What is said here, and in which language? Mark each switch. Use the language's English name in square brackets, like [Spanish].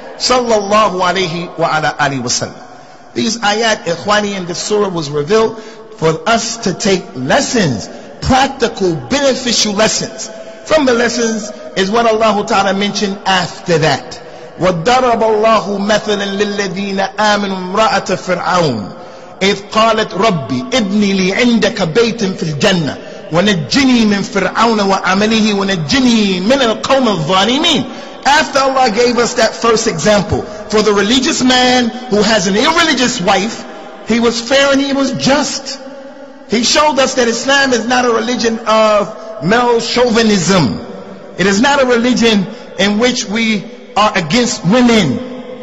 [Arabic] Sallallahu alayhi wa ala alihi wa sallam. [English] These ayat, ikhwani, in the surah was revealed for us to take lessons, practical, beneficial lessons. From the lessons is what Allah Ta'ala mentioned after that. [Arabic] وَضَّرَبَ اللَّهُ مَثَلًا لِلَّذِينَ آمِنُوا امْرَأَةَ فِرْعَوْنَ إذ قالت ربي ابني لي عندك بيتا في الجنة ونجني من فرعون وعمله ونجني من القوم الظالمين. [English] After Allah gave us that first example, for the religious man who has an irreligious wife, he was fair and he was just. He showed us that Islam is not a religion of male chauvinism. It is not a religion in which we are against women.